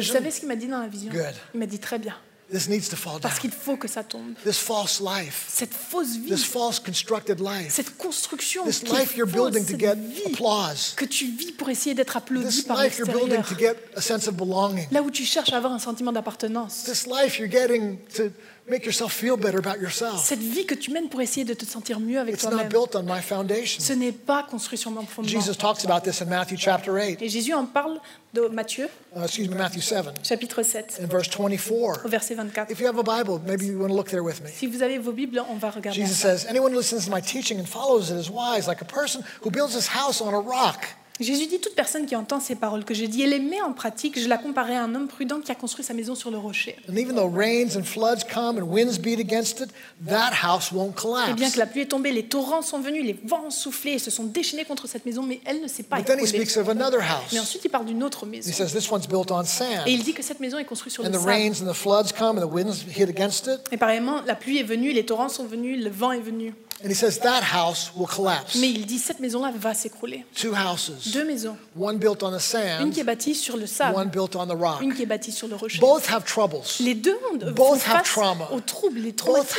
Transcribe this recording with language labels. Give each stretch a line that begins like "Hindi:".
French: Et vous savez ce qu'il m'a dit dans la vision?
English: Good.
French: Il m'a dit, très bien.
English: This needs to fall down.
French: Parce qu'il faut que ça tombe.
English: This false life.
French: Cette fausse vie.
English: This false constructed life.
French: Cette construction.
English: This life you're building to get applause.
French: Que tu vis pour essayer d'être applaudi par l'extérieur.
English: This life you're building to get a sense of belonging.
French: Là où tu cherches à avoir un sentiment d'appartenance.
English: This life you're getting to make yourself feel better about yourself.
French: Cette vie que tu mènes pour essayer de te sentir mieux avec
English: it's
French: toi-même.
English: It's not built on my foundation.
French: Ce n'est pas construit sur mon fondement.
English: Jesus talks about this in Matthew chapter 8.
French: Et Jésus en parle de Matthieu.
English: Excuse me, Matthew 7.
French: Chapitre 7.
English: In verse 24.
French: Au verset 24.
English: If you have a Bible, maybe you want to look there with me.
French: Si vous avez vos Bibles, on va regarder.
English: Jesus says, anyone who listens to my teaching and follows it is wise, like a person who builds his house on a rock.
French: Jésus dit, toute personne qui entend ces paroles que j'ai dit et les met en pratique, je la comparais à un homme prudent qui a construit sa maison sur le rocher.
English: And even though rains and floods come and winds beat against it, that house won't collapse.
French: Et bien que la pluie est tombée, les torrents sont venus, les vents ont soufflé et se sont déchaînés contre cette maison, mais elle ne s'est pas écroulée.
English: But then he speaks of another house.
French: Mais ensuite il parle d'une autre maison.
English: He says this one's built on sand.
French: Et il dit que cette maison est construite sur le sable.
English: And the rains and the floods come and the winds hit against it.
French: Et pareillement, la pluie est venue, les torrents sont venus, le vent est venu.
English: And he says that house will collapse.
French: Mais il dit cette maison-là va s'écrouler.
English: Two houses.
French: Deux maisons.
English: One built on the sand.
French: Une qui est bâtie sur le sable.
English: One built on the rock.
French: Une qui est bâtie sur le rocher.
English: Both have troubles.
French: Les deux ont
English: Both have trauma.
French: Aux troubles, les traumatismes.